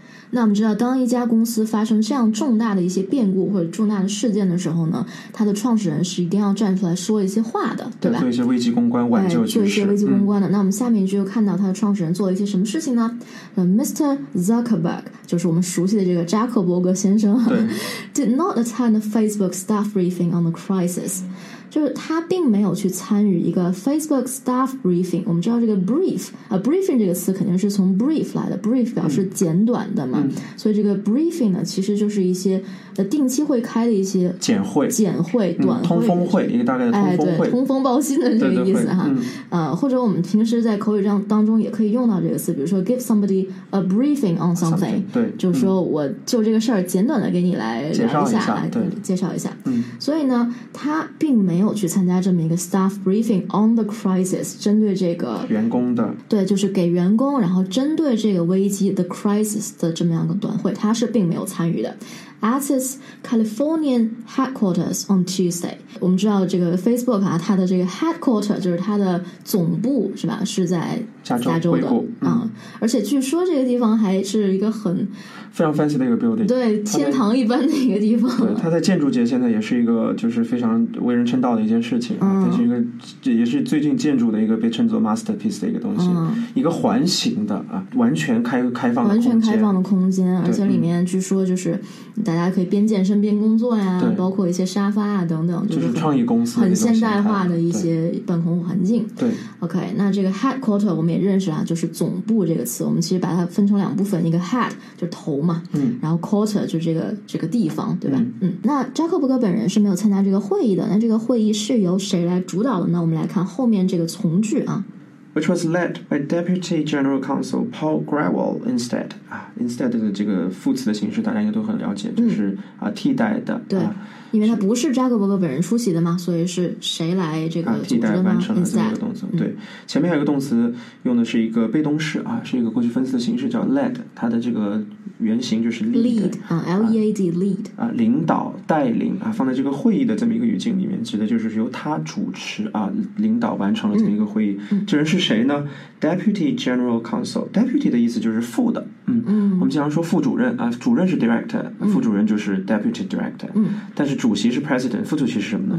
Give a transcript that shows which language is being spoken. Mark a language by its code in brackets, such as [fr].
[zh] 那我们知道当一家公司发生这样重大的一些变故或者重大的事件的时候呢，它的创始人是一定要站出来说一些话的，对吧？对，做一些危机公关挽救局势，做一些危机公关的、嗯、那我们下面就看到它的创始人做了一些什么事情呢？ [en] Mr. [zh] Zuckerberg， 就是我们熟悉的这个扎克伯格先生。对。 [en] Did not attend a Facebook staff briefing on the crisis， [zh] 就是他并没有去参与一个 [en] Facebook staff briefing。 [zh] 我们知道这个 brief、briefing 这个词肯定是从 brief 来的， brief 表示简短的嘛、嗯、所以这个 briefing 呢其实就是一些定期会开的一些简会，简会、嗯、短会，通风会，一个大概的通风会、哎、通风报信的这个意思哈。对对、或者我们平时在口语当中也可以用到这个词，比如说 [en] give somebody a briefing on something， 对， [zh] 就是说我就这个事儿简短的给你来介绍一下，来介绍一下。嗯，所以呢他并没有去参加这么一个 [en] staff briefing on the crisis， [zh] 针对这个员工的，对，就是给员工然后针对这个危机 the crisis 的这么样的短会，他是并没有参与的。 [en] at its Californian headquarters on Tuesday. [zh] 我们知道这个 Facebook 啊，它的这个 headquarters 就是它的总部是吧？是在加州的啊、嗯。而且据说这个地方还是一个很非常 fancy 的一个 building，对，天堂一般的一个地方。对，它在建筑界现在也是一个就是非常为人称道的一件事情、啊嗯、它是一个也是最近建筑的一个被称作 masterpiece 的一个东西、嗯、一个环形的啊，完全开放的空间，完全开放的空间，而且里面据说就是大家可以边健身边工作呀，包括一些沙发啊等等，就是创意公司很现代化的一些办公环境。对 OK， 那这个 headquarter 我们也认识啊，就是总部这个词，我们其实把它分成两部分，一个 head 就是头嘛，嗯，然后 quarter 就是这个地方，对吧？嗯，那扎克伯格本人是没有参加这个会议的，那这个会议是由谁来主导的呢？我们来看后面这个从句啊。 [en] Which was led by Deputy General Counsel Paul Grewal instead. [zh] Instead 的这个副词的形式大家应该都很了解，就是、嗯啊、替代的。对、啊、因为他不是扎克伯格本人出席的嘛，所以是谁来这个、啊、替代完成了这个动词、嗯、对，前面还有个动词用的是一个被动式啊，是一个过去分词的形式叫 led， 它的这个原型就是 lead, [en] L-E-A-D, lead、 [zh] 啊、领导带领啊，放在这个会议的这么一个语境里面，指的就是由他主持啊，领导完成了这么一个会议、嗯、这人是谁呢？ Deputy General Counsel， Deputy 的意思就是副的，嗯，我们经常说副主任啊，主任是 Director， 副主任就是 Deputy Director、嗯、但是主席是 President， 副主席是什么呢？